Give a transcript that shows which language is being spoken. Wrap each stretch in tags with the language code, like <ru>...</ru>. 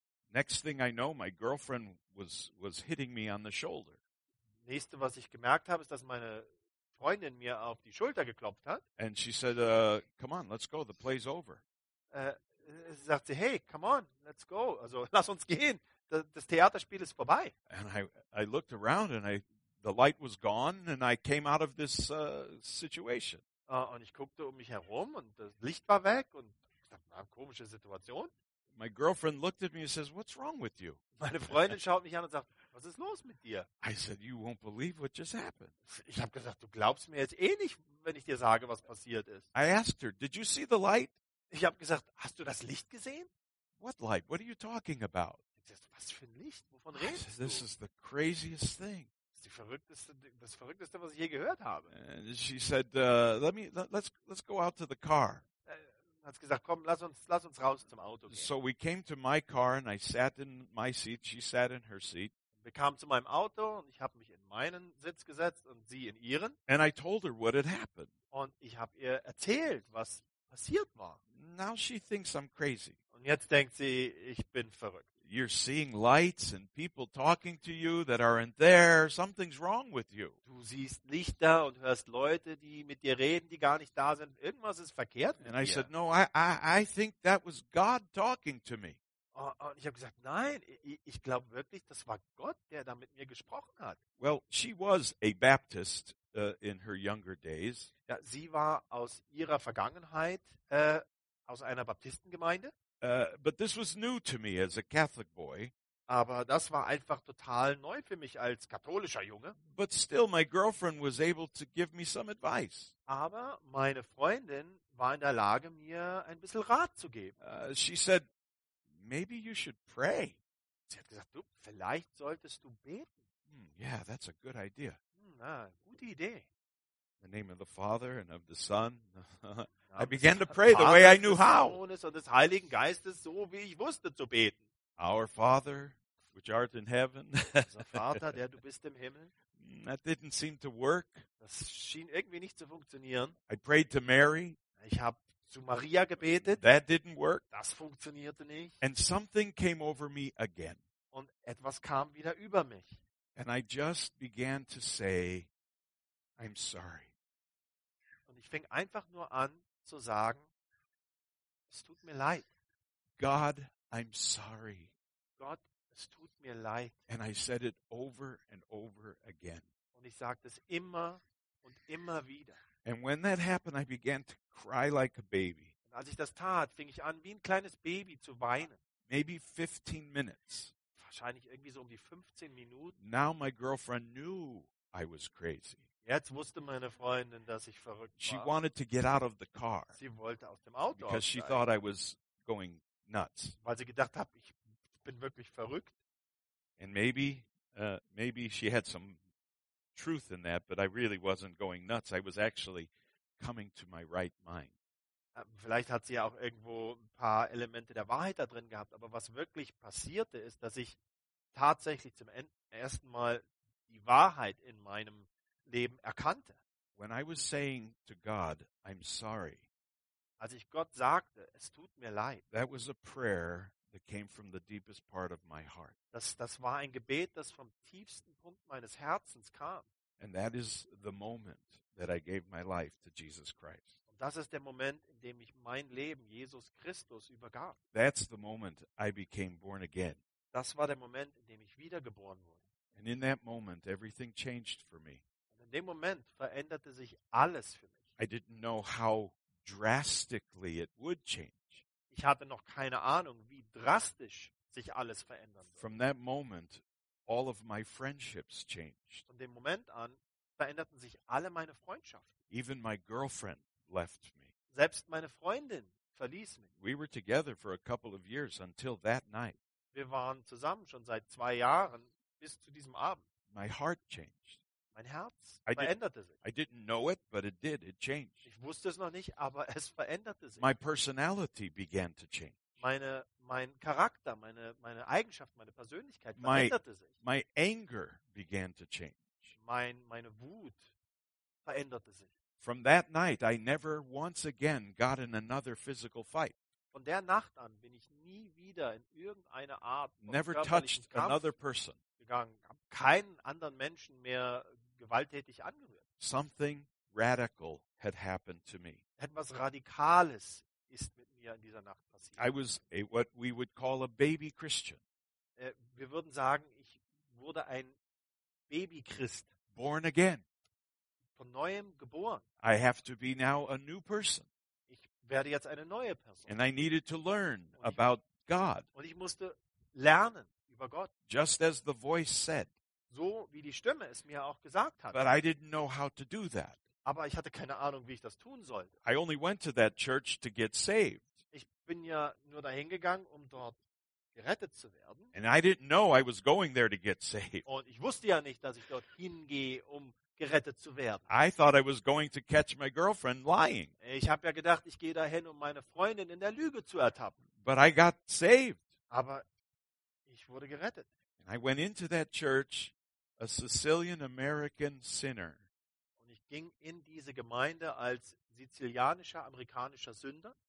<en>Next thing I know, my girlfriend was hitting me on the shoulder.</en> <de>Nächste, was ich gemerkt habe, ist, dass meine Freundin mir auf die Schulter geklopft hat.</de> <en>And she said, come on, let's go, the play's over.</en> <de>Sagt sie, hey,</de> <en>come on, let's go.</en> <de>Also, lass uns gehen. Das Theaterspiel ist vorbei.</de> <en>And I looked around and the light was gone and I came out of this situation.</en> <de>Und ich guckte um mich herum und das Licht war weg und das war eine komische Situation.</de> <en>My girlfriend looked at me and says, what's wrong with you?</en> <de>Meine Freundin schaut mich an und sagt, was ist los mit dir?</de> <en>I said, you won't believe what just happened.</en> <de>Ich habe gesagt, du glaubst mir jetzt eh nicht, wenn ich dir sage, was passiert ist.</de> <en>I asked her, did you see the light?</en> <de>Ich habe gesagt, hast du das Licht gesehen?</de> <en>What light? What are you talking about?</en> <de>Was für ein Licht? Wovon redest du?</de> <en>This is the craziest thing.</en> <de>Das ist das Verrückteste, was ich je gehört habe.</de> <en>And she said, let's go out to the car.</en> <de>Hat gesagt, komm, lass uns raus zum Auto gehen.</de> <en>So we came to my car and I sat in my seat. She sat in her seat.</en> <de>Wir kamen zu meinem Auto und ich habe mich in meinen Sitz gesetzt und sie in ihren.</de> <en>And I told her what had happened.</en> <de>Und ich habe ihr erzählt, was passiert war.</de> <en>Now she thinks I'm crazy.</en> <de>Und jetzt denkt sie, ich bin verrückt.</de> <en>You're seeing lights and people talking to you that aren't there. Something's wrong with you.</en> <de>Du siehst Lichter und hörst Leute, die mit dir reden, die gar nicht da sind. Irgendwas ist verkehrt mit</de> <en>And</en> <de>dir.</de> <en>I said, no, I think that was God talking to me.</en> <de>Und ich habe gesagt, nein, ich glaube wirklich, das war Gott, der da mit mir gesprochen hat.</de> <en>Well, she was a Baptist in her younger days.</en> <de>Ja, sie war aus ihrer Vergangenheit aus einer Baptistengemeinde.</de> <en>But this was new to me as a Catholic boy.</en> <de>Aber das war einfach total neu für mich als katholischer Junge.</de> <en>But still, my girlfriend was able to give me some advice.</en> <de>Aber meine Freundin war in der Lage, mir ein bisschen Rat zu geben.</de> <en>She said, maybe you should pray.</en> <de>Sie hat gesagt, du, vielleicht solltest du beten.</de> <en>Yeah, that's a good idea.</en> <de>Gute Idee.</de> <en>In the name of the Father and of the Son. I began to pray the way I knew how.</en> <de>Des Heiligen Geistes, so wie ich wusste, zu beten.</de> <en>Our Father, which art in heaven.</en> <de>Vater, der du bist im Himmel.</de> <en>That didn't seem to work.</en> <de>Das schien irgendwie nicht zu funktionieren.</de> <en>I prayed to Mary.</en> <de>Ich habe zu Maria gebetet.</de> <en>That didn't work.</en> <de>Das funktionierte nicht.</de> <en>And something came over me again.</en> <de>Und etwas kam wieder über mich.</de> <en>And I just began to say, I'm sorry.</en> <de>Und ich fing einfach nur an zu sagen, es tut mir leid.</de> <en>God, I'm sorry.</en> <de>Gott, es tut mir leid.</de> <en>And I said it over and over again.</en> <de>Und ich sagte es immer und immer wieder.</de> <en>And when that happened, I began to cry like a baby.</en> <de>Und als ich das tat, fing ich an, wie ein kleines Baby zu weinen.</de> <en>Maybe 15 minutes.</en> <de>Wahrscheinlich irgendwie so um die 15 Minuten.</de> <en>Now my girlfriend knew I was crazy.</en> <de>Jetzt wusste meine Freundin, dass ich verrückt war.</de> <en>She wanted to get out of the car.</en> <de>Sie wollte aus dem Auto.</de> <en>Because she thought I was going nuts.</en> <de>Weil sie gedacht hat, ich bin wirklich verrückt.</de> <en>And maybe she had some truth in that, but I really wasn't going nuts. I was actually coming to my right mind.</en> <de>Vielleicht hat sie ja auch irgendwo ein paar Elemente der Wahrheit da drin gehabt, aber was wirklich passierte ist, dass ich tatsächlich zum ersten Mal die Wahrheit in meinem Leben erkannte.</de> <en>When I was saying to God, I'm sorry.</en> <de>Als ich Gott sagte, es tut mir leid.</de> <en>That was a prayer that came from the deepest part of my heart.</en> <de>Das war ein Gebet, das vom tiefsten Punkt meines Herzens kam.</de> <en>And that is the moment that I gave my life to Jesus Christ.</en> <de>Und das ist der Moment, in dem ich mein Leben Jesus Christus übergab.</de> <en>That's the moment I became born again.</en> <de>Das war der Moment, in dem ich wiedergeboren wurde.</de> <en>And in that moment everything changed for me.</en> <de>Und in dem Moment veränderte sich alles für mich.</de> <en>I didn't know how drastically it would change.</en> <de>Ich hatte noch keine Ahnung, wie drastisch sich alles verändern würde.</de> <en>From that moment all of my friendships changed.</en> <de>Von dem Moment an veränderten sich alle meine Freundschaften.</de> <en>Even my girlfriend left me.</en> <de>Selbst meine Freundin verließ mich.</de> <en>We were together for a couple of years until that night.</en> <de>Wir waren zusammen schon seit 2 Jahren bis zu diesem Abend.</de> <en>My heart changed.</en> <de>Mein Herz veränderte sich.</de> <en>I didn't know it, but it did. It changed.</en> <de>Ich wusste es noch nicht, aber es veränderte sich.</de> <en>My personality began to change.</en> <de>Mein Charakter, meine Eigenschaft, meine Persönlichkeit veränderte sich.</de> <en>My anger began to change.</en> <de>Meine Wut veränderte sich.</de> <en>From that night, I never once again got in another physical fight.</en> <de>Von der Nacht an bin ich nie wieder in irgendeiner Art</de> <en>never touched another person.</en> <de>Gegangen, habe keinen anderen Menschen mehr gewalttätig angerührt.</de> <en>Something radical had happened to me.</en> <de>Etwas Radikales ist mit mir in dieser Nacht passiert.</de> <en>I was what we would call a baby Christian.</en> <de>Wir würden sagen, ich wurde ein Babychrist.</de> <en>Born again.</en> <de>Von neuem geboren.</de> <en>I have to be now a new person.</en> <de>Ich werde jetzt eine neue Person.</de> <en>And I needed to learn about God.</en> <de>Und ich musste lernen über Gott.</de> <en>Just as the voice said.</en> <de>So wie die Stimme es mir auch gesagt hat.</de> <en>But I didn't know how to do that.</en> <de>Aber ich hatte keine Ahnung, wie ich das tun sollte.</de> <en>I only went to that church to get saved.</en> <de>Ich bin ja nur dahin gegangen, um dort gerettet zu werden.</de> <en>And I didn't know I was going there to get saved.</en> <de>Und ich wusste ja nicht, dass ich dort hingehe, um gerettet zu werden.</de> <en>I thought I was going to catch my girlfriend lying.</en> <de>Ich habe ja gedacht, ich gehe dahin, um meine Freundin in der Lüge zu ertappen.</de> <en>But I got saved.</en> <de>Aber ich wurde gerettet.</de> <en>And I went into that church, a Sicilian American sinner.</en> <de>Ging in diese Gemeinde als sizilianischer amerikanischer Sünder</de>